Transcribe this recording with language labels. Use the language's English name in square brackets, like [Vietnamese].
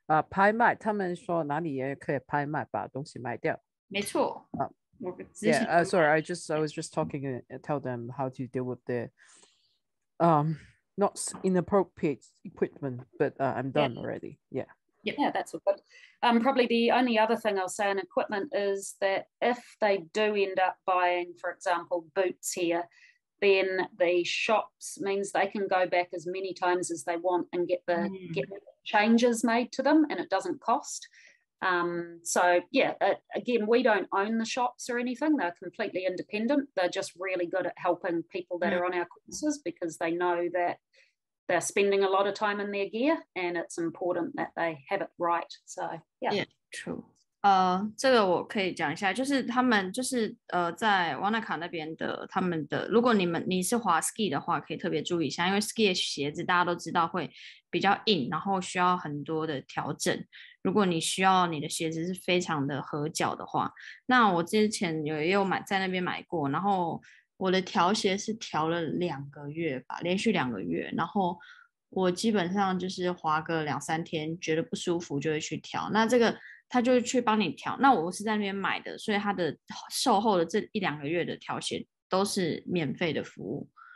[Chinese] 拍卖，他们说哪里也可以拍卖，把东西卖掉。没错。 [English] I was just talking and tell them how to deal with their not inappropriate equipment, but I'm done already. Yeah, that's all good. Probably the only other thing I'll say on equipment is that if they do end up buying, for example, boots here, then the shops means they can go back as many times as they want and get the changes made to them, and it doesn't cost. Again, we don't own the shops or anything. They're completely independent. They're just really good at helping people that are on our courses, because they know that they're spending a lot of time in their gear, and it's important that they have it right. So, yeah, true. [Chinese] 这个我可以讲一下，就是他们就是在 Wanaka 那边的他们的，如果你是滑 ski 的话，可以特别注意一下，因为 ski 的鞋子大家都知道会比较硬，然后需要很多的调整。如果你需要你的鞋子是非常的合脚的话，那我之前也有买在那边买过，然后我的调鞋是调了两个月吧，连续两个月，然后我基本上就是滑个两三天觉得不舒服就会去调，那这个他就去帮你调，那我是在那边买的，所以他的售后的这一两个月的调鞋都是免费的服务，